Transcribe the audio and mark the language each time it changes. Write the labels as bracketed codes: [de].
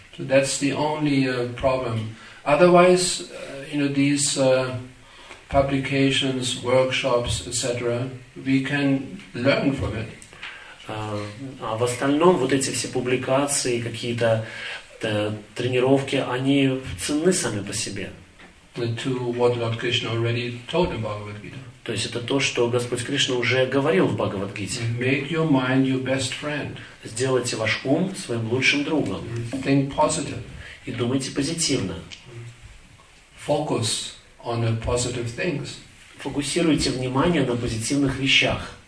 [en] So that's the only problem. Otherwise, you know, these publications, workshops, etc. We can learn from it. [ru] А в остальном вот эти все публикации, какие-то тренировки, они ценны сами по себе. [en] To what Lord Krishna already told in Bhagavad Gita. [ru] То есть это то, что Господь Кришна уже говорил в Бхагавад Гите. [en] Make your mind your best friend. [ru] Сделайте ваш ум своим лучшим другом. [en] Think positive. [ru] И думайте позитивно. [en] Focus on the positive things. [ru] Фокусируйте внимание на позитивных вещах.